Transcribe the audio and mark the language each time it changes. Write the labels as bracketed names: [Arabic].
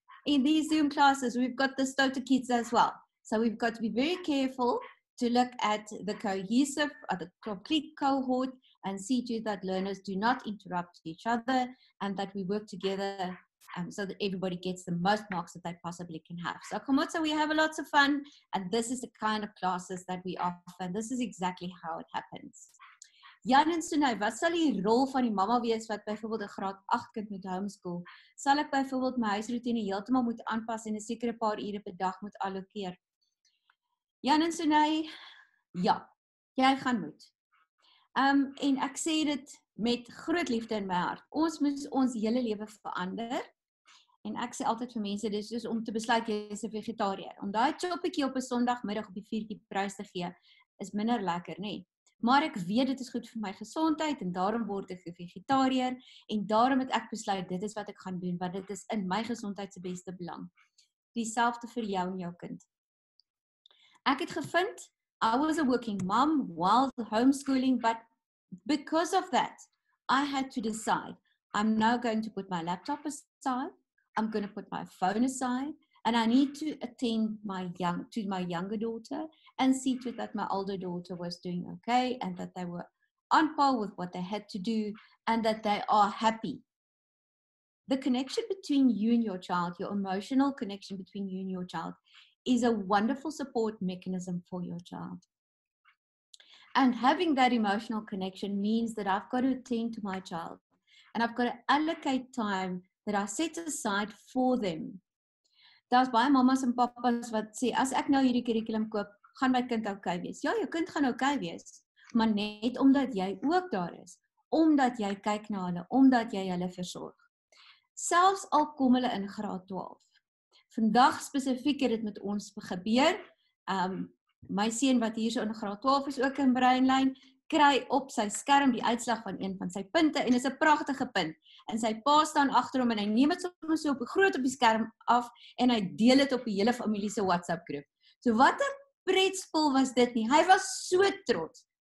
[English] In these Zoom classes, we've got the Stouter kids as well. So we've got to be very careful to look at the cohesive, or the complete cohort, and see to that learners do not interrupt each other and that we work together so that everybody gets the most marks that they possibly can have. So Komotso, we have a lot of fun, and this is the kind of classes that we offer. And this is exactly how it happens. [Afrikaans] Jan en Sunay, wat sal die rol van die mama wees wat byvoorbeeld 'n graad 8 kind moet homeschool? Sal ek byvoorbeeld my huisroetine heeltemal moet aanpas en 'n sekere paar ure per dag moet allokeer? Jan en Sunay, ja, jy gaan moet. En ek sê dit met groot liefde in my hart. Ons moet ons hele lewe verander. En ek sê altyd vir mense, dis soos om te besluit jy is 'n vegetariër. Om daai choppietjie op 'n Sondagmiddag op die vuurtjie prys te gee, is minder lekker, nie? Maar ek weet dit is goed vir my gesondheid en daarom word ek 'n vegetariër en daarom het ek besluit dit is wat ek gaan doen want dit is in my gesondheid se beste belang. Dieselfde vir jou en jou kind. Ek het gevind, [English] I was a working mom while homeschooling, but because of that, I had to decide. I'm now going to put my laptop aside. I'm going to put my phone aside. And I need to attend to my younger daughter and see to it that my older daughter was doing okay and that they were on par with what they had to do and that they are happy. The connection between you and your child, your emotional connection between you and your child, is a wonderful support mechanism for your child. And having that emotional connection means that I've got to attend to my child and I've got to allocate time that I set aside for them. [Afrikaans] Daar is baie mamas en papas wat sê, as ek nou hierdie curriculum koop, gaan my kind okay wees. Ja, jou kind gaan okay wees, maar net omdat jy ook daar is. Omdat jy kyk na hulle, omdat jy hulle versorg. Selfs al kom hulle in graad 12. Vandag spesifiek het dit met ons gebeur. My seun wat hier so in graad 12 is ook in Brainline, kry op sy skerm die uitslag van een van sy punte en is 'n pragtige punt. En sy pa staan agter hom en hy neem dit sommer so op groot op die skerm af en hy deel dit op die hele familie se WhatsApp groep. So wat 'n pretspel was dit nie. Hy was so trots.